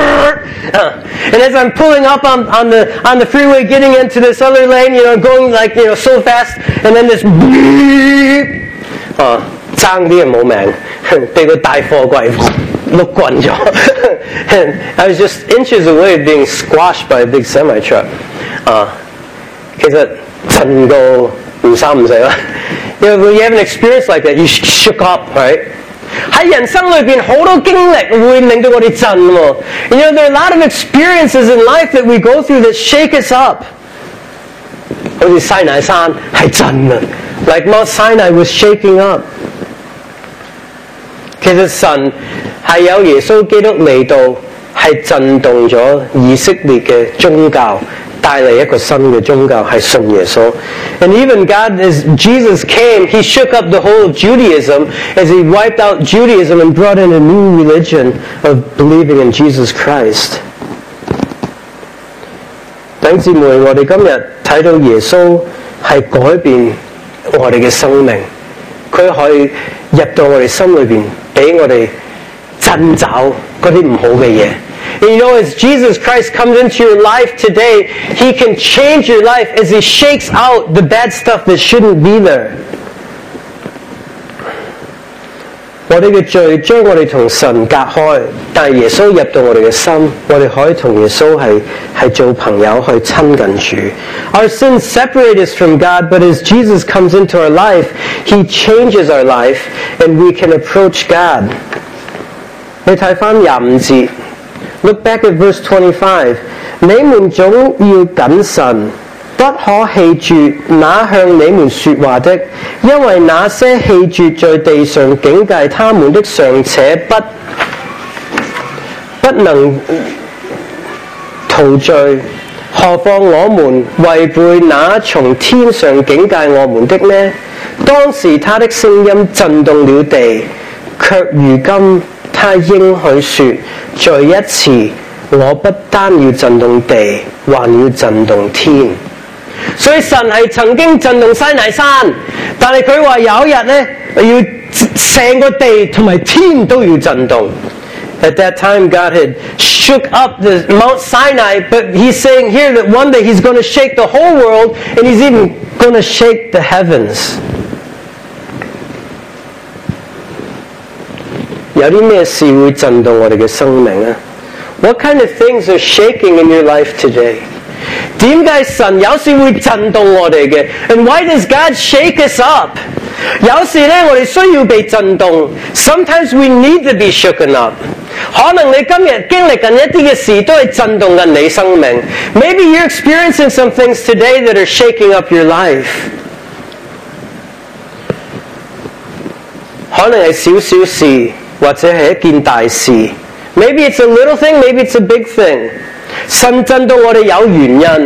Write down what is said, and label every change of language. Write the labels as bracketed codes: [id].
[en] And as I'm pulling up on the freeway, getting into this other lane, you know, going like, you know, so fast, and then this bleep, [yue] 差啲冇命，俾个大货柜碌滚咗。 [en] And I was just inches away being squashed by a big semi truck. [yue] 其实震到唔三唔四啦。 [en] You know, when you have an experience like that, you shook up, right? [yue] 在人生里面很多经历会令到我们震。 [en] You know, there are a lot of experiences in life that we go through that shake us up. [yue] 好像西乃山是震的。 [en] Like Mount Sinai was shaking up. [yue] 其实神是有耶稣基督来到，是震动了以色列的宗教，带来一个新的宗教，是信耶稣。 [en] And even God, as Jesus came, he shook up the whole of Judaism as he wiped out Judaism and brought in a new religion of believing in Jesus Christ. [yue] 弟兄姊妹，我们今天看到耶稣是改变我们的生命，他可以入到我们心里面，给我们震找那些不好的东西。 [en] And you know, as Jesus Christ comes into your life today, He can change your life as He shakes out the bad stuff that shouldn't be there. [yue] 我们的罪将我们与神隔开，但耶稣入到我们的心，我们可以与耶稣 是做朋友，去亲近主。 [en] Our sins separate us from God, but as Jesus comes into our life, He changes our life, and we can approach God. [yue] 你看回25节， [en] Look back at verse 25. [yue] 你们总要谨慎，不可弃绝那向你们说话的，因为那些弃绝在地上警戒他们的，尚且不能陶醉，何况我们违背那从天上警戒我们的呢？当时他的声音震动了地，却如今他应许说，再一次，我不单要震动地，还要震动天。所以神是曾经震动西乃山，但是他说有一天呢，要整个地和天都要震动。 [en] At that time, God had shook up the Mount Sinai, but he's saying here that one day he's going to shake the whole world, and he's even going to shake the heavens. [yue] 有啲咩事会震动我哋嘅生命啊 [en] ？What kind of things are shaking in your life today？ [yue] 点解神有时会震动我哋嘅 ？ [en] And why does God shake us up？ [yue] 有时咧，我哋需要被震动。 [en] Sometimes we need to be shaken up。 [yue] 可能你今日经历紧一啲嘅事，都系震动紧你生命。 [en] Maybe you're experiencing some things today that are shaking up your life。 [yue] 可能系小小事。或者是一件大事 [en] Maybe it's a little thing, maybe it's a big thing. [yue] 神震动我们有原因